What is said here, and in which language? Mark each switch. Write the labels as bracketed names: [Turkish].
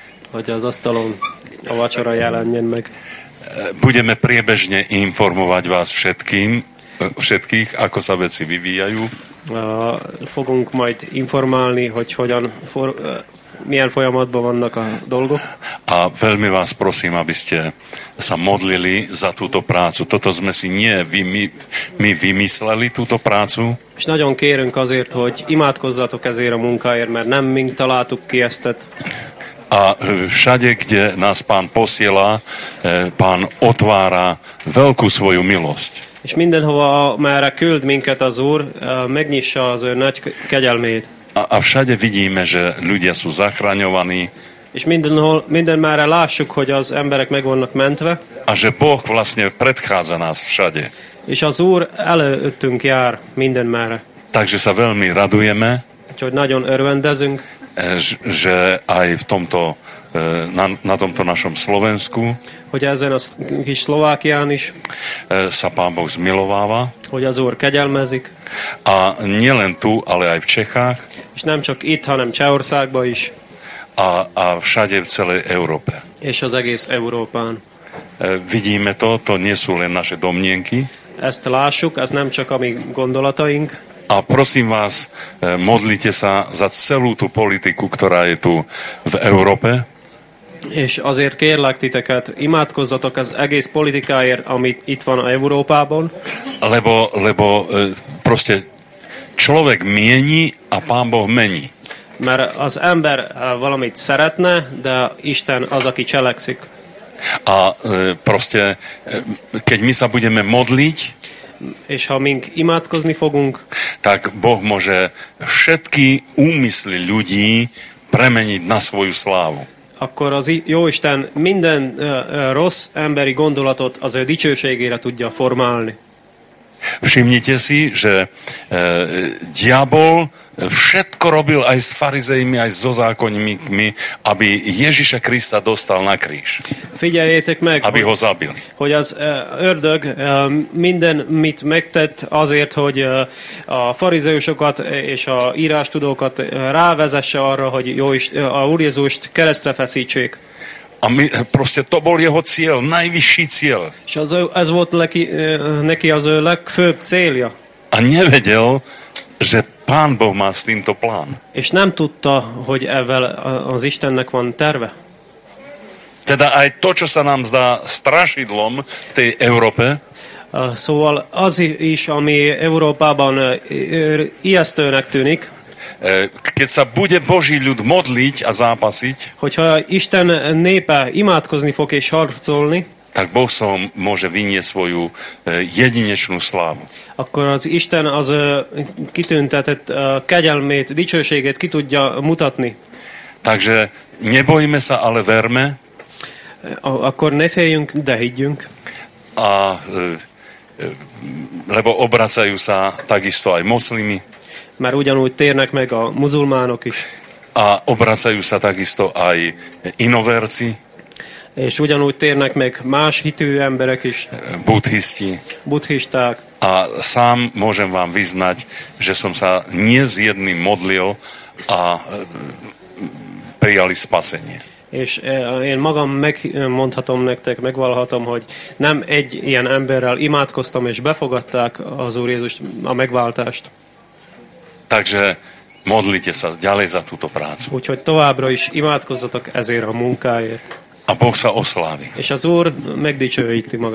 [Hungarian] Hogy az asztalon a vacsora jelenjen meg. [Slovak] Budeme priebežne informovať vás všetkých, ako sa veci vyvíjajú. [Hungarian] Fogunk majd informálni, hogy hogyan, milyen folyamatban vannak a dolgok. [Slovak] A veľmi vás prosím, aby ste sa modlili za túto prácu. Toto sme si nie my vymysleli túto prácu. [Hungarian] És nagyon kérünk azért, hogy imádkozzatok ezért a munkáért, mert nem mi találtuk ki ezt. [Slovak] A všade, kde nás pán posiela, pán otvára veľkú svoju milosť. [Hungarian] És mindenhova már küld minket az Úr, megnyissa az ő nagy kegyelmét. [Slovak] A všade vidíme, že ľudia sú zachraňovaní. [Hungarian] És minden már lássuk, hogy az emberek meg vannak mentve. [Slovak] A že Boh vlastne predchádza nás všade. [Hungarian] És az Úr előttünk jár minden már. [Slovak] Takže sa veľmi radujeme. [Hungarian] Úgyhogy nagyon örvendezünk. [Slovak] Že aj v tomto, na tomto našom Slovensku. [Hungarian] Hogy ezen a kis Szlovákián is. [Slovak] Sa pán Boh zmilováva. [Hungarian] Hogy az Úr kegyelmezik. [Slovak] A nielen tu, ale aj v Čechách. [Hungarian] És nem csak itt, hanem Csehországban is. [Slovak] A všade v celej Európe. [Hungarian] És az egész Európán. [Slovak] Vidíme to, to nie sú len naše domnienky. [Hungarian] Ezt lássuk, ez nem csak a mi gondolataink. [Slovak] A prosím vás, modlite sa za celú tú politiku, ktorá je tu v Európe. [Hungarian] És azért kérlek titeket, imádkozzatok az egész politikáért, amit itt van a Európában. [Slovak] Lebo proste človek mieni a pán Boh mení. [Hungarian] Mert az ember valamit szeretne, de Isten az, aki cselekszik. [Slovak] A proste, keď my sa budeme modliť, [Hungarian] és ha mink imádkozni fogunk, [Slovak] tak Boh môže všetky úmysly ľudí premeniť na svoju slávu. [Hungarian] Akkor az Jóisten minden rossz emberi gondolatot az ő dicsőségére tudja formálni. [Slovak] Všimnite si, že diabol všetko robil aj s farizejmi, aj so zákonníkmi, aby Ježiša Krista dostal na kríž. [Hungarian] Figyeljétek meg, [Slovak] aby ho zabil. [Hungarian] Hogy az ördög minden, mit megtett azért, hogy a farizeusokat és a írástudókat rávezesse arra, hogy a Úr Jézust keresztre feszítsék. [Slovak] A mi, proste to bol jeho cieľ, najvyšší cieľ. [Hungarian] És ez volt neki az ő legfőbb célja. [Slovak] A nevedel, že pán Boh má s týmto plán. [Hungarian] És nem tudta, hogy evel az Istennek van terve. [Slovak] Teda aj to, čo sa nám zdá strašidlom tej Európe. [Hungarian] Szóval az is, ami Európában ijesztőnek tűnik. [Slovak] Keď sa bude Boží ľud modliť a zápasiť, [Hungarian] hogyha Isten népe imádkozni fog és harcolni, [Slovak] tak Boh sa môže vyniesť svoju jedinečnú slávu. [Hungarian] Akkor az Isten az kitüntetett kegyelmét, dicsőségét ki tudja mutatni. [Slovak] Takže nebojme sa, ale verme. [Hungarian] Akkor ne féljünk, de higgyünk. [Slovak] A lebo obracajú sa takisto aj moslimi. [Hungarian] mert ugyanúgy térnek meg a muzulmánok is. [Slovak] A obracajú sa takisto aj inoverci. [Hungarian] És ugyanúgy térnek meg más hitű emberek is. [Slovak] Buddhisti. [Hungarian] Buddhisták. [Slovak] A sám môžem vám vyznať, že som sa nie s jedným modlil a prijali spasenie. [Hungarian] És én magam megmondhatom nektek, megvallhatom, hogy nem egy ilyen emberrel imádkoztam, és befogadták az Úr Jézust, a megváltást. [Slovak] Takže modlite sa ďalej za túto prácu. [Hungarian] Úgyhogy továbbra is imádkozzatok ezért a munkáért. [Slovak] A Boh sa oslávi. [Hungarian] És az Úr megdicsőíti magát.